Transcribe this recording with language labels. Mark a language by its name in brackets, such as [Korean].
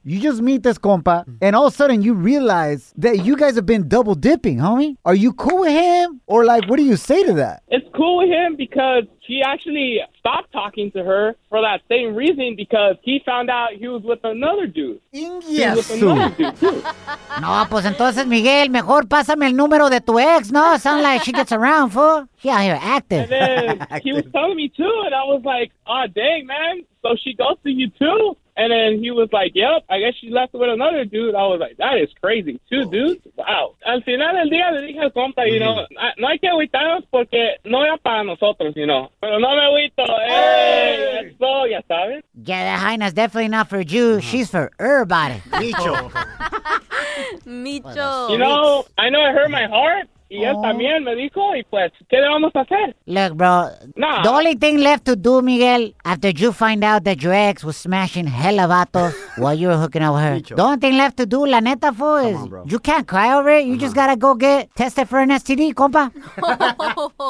[English] You just meet this compa, and all of a sudden you realize that you guys have been double dipping, homie. Are you cool with him? Or, like, what do you say to that? It's cool with him because he actually stopped talking to her for that same reason because he found out he was with another dude. [Spanish] No, pues entonces, Miguel, mejor pásame el número de tu ex, ¿no? [English] Sound like she gets around, fool. She out here active. And then he was telling me, too, and I was like, oh, dang, man. So she goes to you, too? And then he was like, yep, I guess she left with another dude. I was like, that is crazy. Two dudes? Wow. [Spanish] Al final del día le dije al compa, [English] you know, [Spanish] no hay que agüitarnos porque no era para nosotros, you know. Pero no me agüito. [English] Hey! So, [Spanish] ya sabes. [English] Yeah, that hyena's definitely not for Jews. Mm-hmm. She's for everybody. Micho. Micho. You know, I know it hurt my heart. [Spanish] Y él también me dijo, y pues, ¿qué le vamos a hacer? [English] Look, bro, the only thing left to do, Miguel, after you find out that your ex was smashing hella vatos while you were hooking up with her, the only thing left to do, [Spanish] la neta, [English] fool, is you can't cry over it. You just gotta go get tested for an STD, compa.